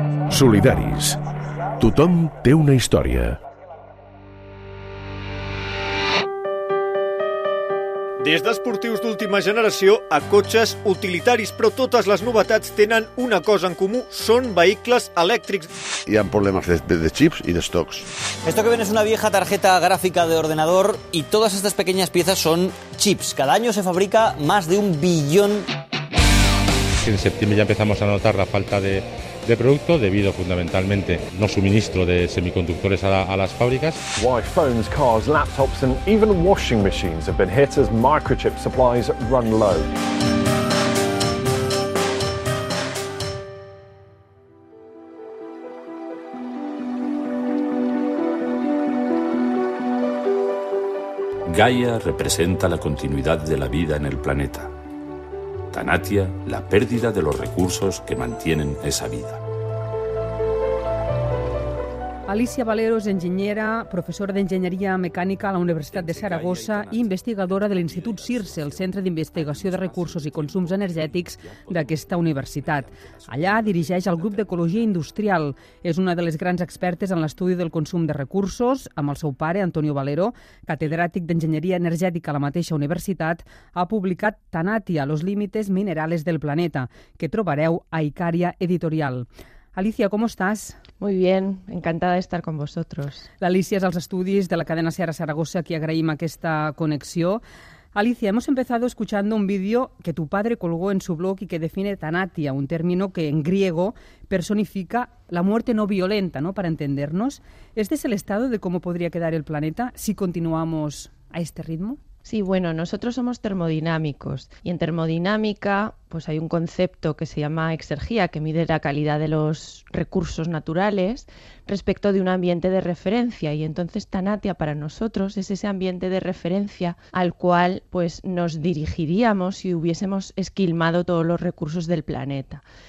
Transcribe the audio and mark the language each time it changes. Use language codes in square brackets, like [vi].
[ca] Solidaris. Tothom té una història. Des d'esportius d'última generació a cotxes utilitaris, però totes les novetats tenen una cosa en comú, són vehicles elèctrics. Hi ha problemes de chips i d'estocs. [es] Esto que ven es una vieja tarjeta gráfica de ordenador y todas estas pequeñas piezas son chips. Cada año se fabrica más de 1 billón. En septiembre ya empezamos a notar la falta de producto debido fundamentalmente no suministro de semiconductores a las fábricas. [en] Why phones, cars, laptops and even washing machines have been hit as microchip supplies run low. [es] Gaia representa la continuidad de la vida en el planeta. Tanatia, la pérdida de los recursos que mantienen esa vida. [ca] Alicia Valero és enginyera, professora d'enginyeria mecànica a la Universitat de Saragossa i investigadora de l'Institut CIRSE, el Centre d'Investigació de Recursos i Consums Energètics d'aquesta universitat. Allà dirigeix el grup d'Ecologia Industrial. És una de les grans expertes en l'estudi del consum de recursos. Amb el seu pare, Antonio Valero, catedràtic d'enginyeria energètica a la mateixa universitat, ha publicat Tanatia, los límites minerales del planeta, que trobareu a Icària Editorial. [es] Alicia, ¿cómo estás? Muy bien, encantada de estar con vosotros. [ca] L'Alicia és als estudis de la cadena SER a Saragossa, a qui agraïm aquesta connexió. [es] Alicia, hemos empezado escuchando un vídeo que tu padre colgó en su blog y que define tanatia, un término que en griego personifica la muerte no violenta, ¿no?, para entendernos. ¿Este es el estado de cómo podría quedar el planeta si continuamos a este ritmo? Sí, bueno, nosotros somos termodinámicos y en termodinámica pues hay un concepto que se llama exergía, que mide la calidad de los recursos naturales respecto de un ambiente de referencia, y entonces tanatia para nosotros es ese ambiente de referencia al cual pues nos dirigiríamos si hubiésemos esquilmado todos los recursos del planeta.